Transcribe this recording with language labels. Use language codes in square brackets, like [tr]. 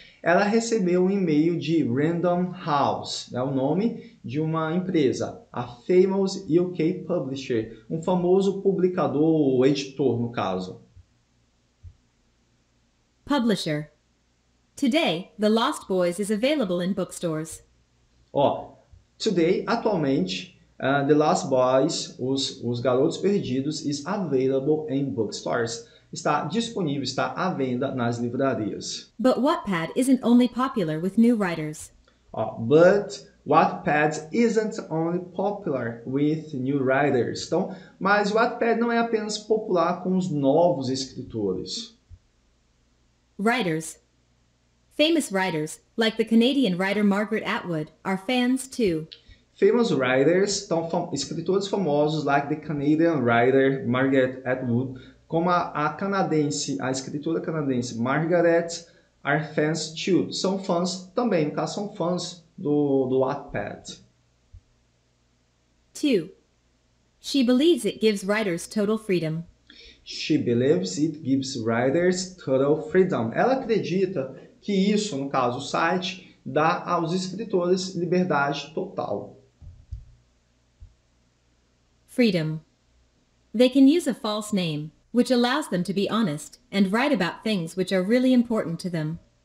[pt] Ela recebeu um e-mail de Random House, né? O nome de uma empresa, a [en] Famous UK Publisher, [pt] um famoso publicador ou editor, no caso. Publisher. [en] Today, The Lost Boys is available in bookstores. Today, [pt] atualmente. [en] The Lost Boys, [pt] os Garotos Perdidos, [en] is available in bookstores. [pt] Está disponível, está à venda nas livrarias. [en] But Wattpad isn't only popular with new writers. But Wattpad isn't only popular with new writers. [pt] Então, mas Wattpad não é apenas popular com os novos escritores. [en] Writers. Famous writers, like the Canadian writer Margaret Atwood, are fans too. Famous writers, [pt] então, escritores famosos, [en] like the Canadian writer Margaret Atwood, [pt] como a escritora canadense Margaret, [en] are fans too. [pt] São fãs também, no caso, são fãs do Wattpad. [en] Two. She believes it gives writers total freedom. She believes it gives writers total freedom. [pt] Ela acredita que isso, no caso, o site, dá aos escritores liberdade total. [en] Freedom. They can use a false name, which allows them to be honest and write about things which are really important to them.